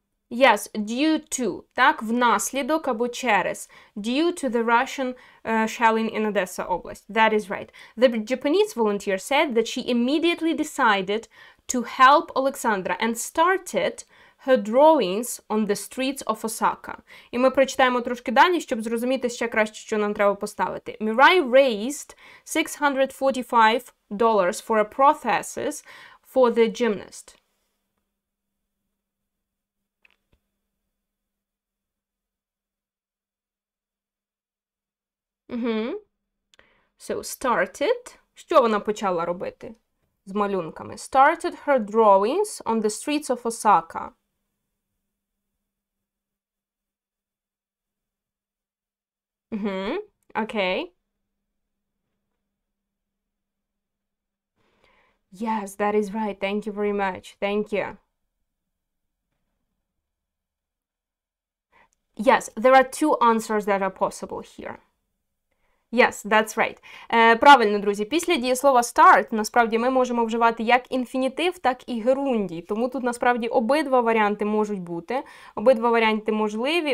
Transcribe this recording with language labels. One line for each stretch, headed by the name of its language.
English: Yes, due to,
Ukrainian: так, внаслідок або через.
English: Due to the Russian shelling in Odessa Oblast. That is right. The Japanese volunteer said that she immediately decided to help Alexandra and started... Her drawings on the streets of Osaka.
Ukrainian: І ми прочитаємо трошки далі, щоб зрозуміти ще краще, що нам треба поставити.
English: Mirai raised $645 for a prosthesis for the gymnast. So, started.
Ukrainian: Що вона почала робити з малюнками?
English: Started her drawings on the streets of Osaka. Okay. Yes, that is right. Thank you very much. Thank you. Yes, there are two answers that are possible here. Yes, that's right.
Ukrainian: Правильно, друзі, після дієслова start, насправді, ми можемо вживати як інфінітив, так і герундій. Тому тут, насправді, обидва варіанти можуть бути, обидва варіанти можливі.